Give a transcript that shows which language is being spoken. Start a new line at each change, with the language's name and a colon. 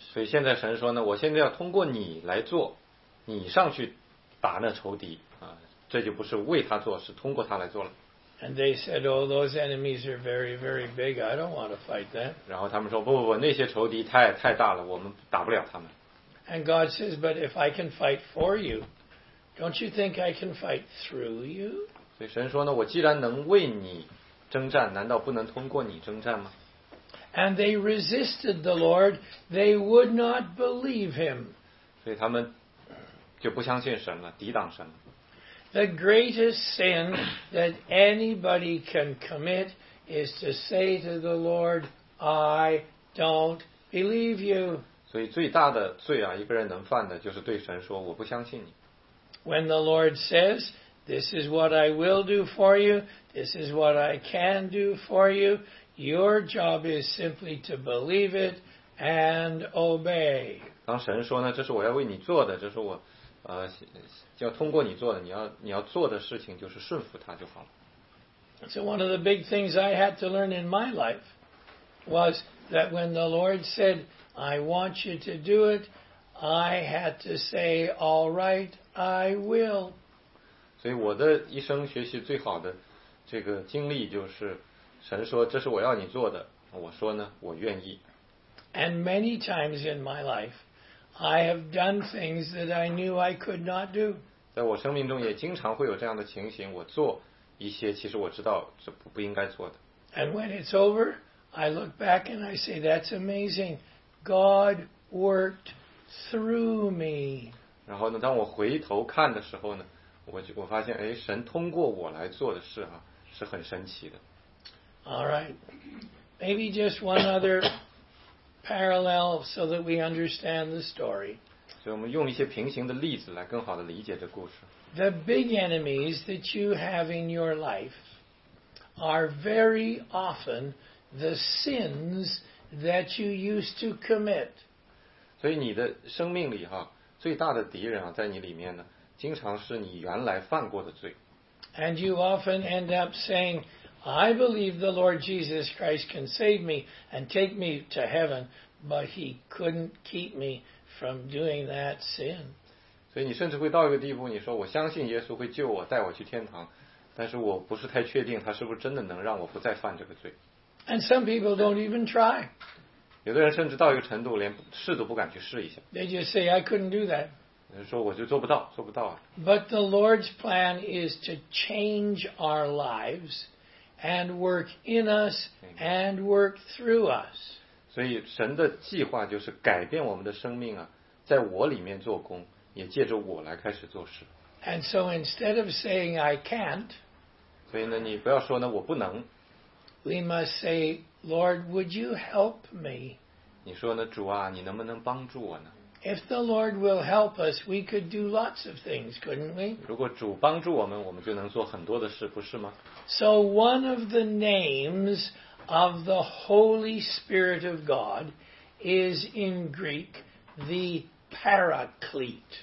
Chinese: 所以现在神说呢，我现在要通过你来做，你上去打那仇敌啊，这就不是为他做，是通过他来做了。
English: And they said, "Oh, those enemies are very, very big. I don't want to fight them."
Chinese: 然后他们说，不，那些仇敌太大了，我们打不了他们。
English: And God says, "But if I can fight for you, don't you think I can fight through you?"
Chinese: 所以神说呢，我既然能为你征战，难道不能通过你征战吗？
English: And they resisted the Lord. They would not believe him.
Chinese: 所以他们就不相信神了，抵挡神了。
English: The greatest sin that anybody can commit is to say to the Lord, "I don't believe you."
Chinese: 所以最大的罪啊，一个人能犯的就是对神说，我不相信你。
English: When the Lord says, "This is what I will do for you. This is what I can do for you," your job is simply to believe it and obey.
Chinese: 当神说呢，这是我要为你做的，这是我。要通过你做的你要做的事情就是顺服他就好了
English: So one of the big things I had to learn in my life was that when the Lord said I want you to do it I had to say all right I will
Chinese: 所以我的一生学习最好的这个经历就是神说这是我要你做的我说呢我愿意
English: And many times in my life I have done things that I knew I could not do.
Chinese: 在我生命中也经常会有这样的情形，我做一些其实我知道这 不应该做的。
English: And when it's over, I look back and I say, that's amazing. God worked through me.
Chinese: 然后呢，当我回头看的时候呢，我发现，哎，神通过我来做的事啊，是很神奇的。
English: All right. Maybe just one other parallel so that we understand the story.
Chinese: 所以我们用一些平行的例子来更好地理解这故事。
English: The big enemies that you have in your life are very often the sins that you used to commit.
Chinese: 所以你的生命里哈，最大的敌人啊，在你里面呢，经常是你原来犯过的罪。
English: And you often end up saying,I believe the Lord Jesus Christ can save me and take me to heaven, but he couldn't keep me from doing that sin.
Chinese: 所以你甚至会到一个地步，你说我相信耶稣会救我，带我去天堂，但是我不是太确定他是不是真的能让我不再犯这个罪。
English: And some people don't even try.
Chinese: 有的人甚至到一个程度连试都不敢去试一下。 They just say, I couldn't do that. 说我就做不到，做不到。
English: But the Lord's plan is to change our lives. And work in us and work through us.
Chinese: 所以神的计划就是改变我们的生命啊，在我里面做工，也借着我来开始做事。
English: And so instead of saying I can't,
Chinese: 所以呢，你不要说呢我不能。
English: We must say, Lord, would you help me?
Chinese: 你说呢，主啊，你能不能帮助我呢？
English: If the Lord will help us, we could do lots of things, couldn't we?
Chinese: 如果主帮助我们，我们就能做很多的事，不是吗？
English: So one of the names of the Holy Spirit of God is in Greek the Paraclete.